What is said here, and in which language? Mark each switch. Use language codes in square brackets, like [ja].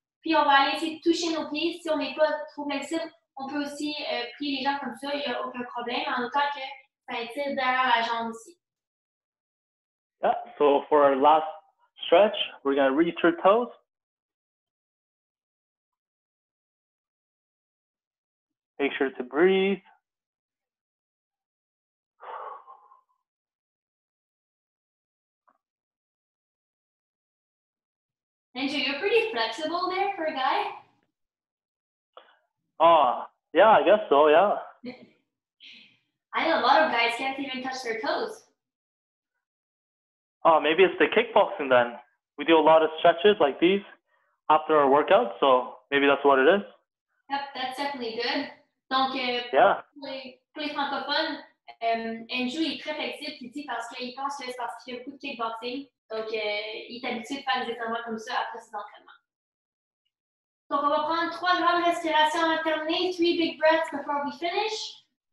[fr] Puis, on va aller essayer de toucher nos pieds. Si on n'est pas trop flexible, on peut aussi plier les jambes comme ça. Il n'y a aucun problème, en autant que ça étire derrière la jambe ici. [en] Yeah, so for our last stretch, we're going to reach your toes. Make sure to breathe. Andrew, you're pretty flexible there for a guy. Yeah, I guess so, yeah. I know a lot of guys can't even touch their toes. Oh, maybe it's the kickboxing then. We do a lot of stretches like these after our workout, so maybe that's what it is. Yep, that's definitely good. [fr] Donc, pour les francophones, Andrew est très flexible, il dit, parce qu'il pense que c'est parce qu'il fait beaucoup de kickboxing. Donc, il est habitué de faire des étirements comme ça après ses entraînements. Donc, on va prendre trois grandes respirations alternées, [en] three big breaths before we finish.